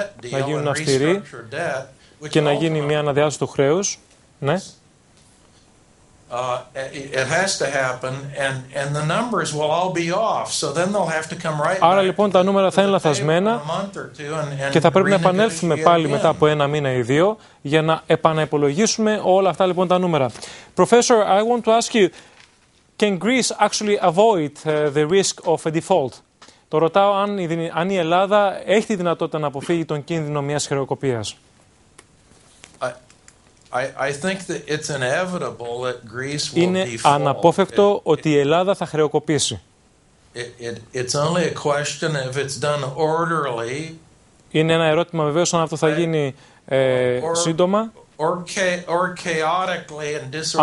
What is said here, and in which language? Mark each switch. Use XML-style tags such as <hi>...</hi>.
<el>Να γίνουν αυστηροί και να γίνει μια αναδιάθεση του χρέους. Ναι.</el> <en>It has to happen, and the numbers will all be off. So then they'll have to come right.</en> <el>Άρα λοιπόν τα νούμερα θα είναι λαθασμένα και θα πρέπει να επανέλθουμε πάλι μετά από ένα μήνα ή δύο για να επαναεπολογίσουμε όλα αυτά λοιπόν τα νούμερα.</el> <en>Professor, I want to ask you, can Greece actually avoid the risk of a default?</en> <el>Το ρωτάω αν η Ελλάδα έχει τη δυνατότητα να αποφύγει τον κίνδυνο μιας χρεοκοπίας.</el> <en>I think that it's inevitable that Greece will default.</en> <el>Είναι αναπόφευκτο ότι η Ελλάδα θα χρεοκοπήσει.</el> <en>It's only a question if it's done orderly.</en> <el>Είναι ένα ερώτημα βεβαίως αν αυτό θα γίνει σύντομα.</el> <en>Or chaotically and disorderly,</en>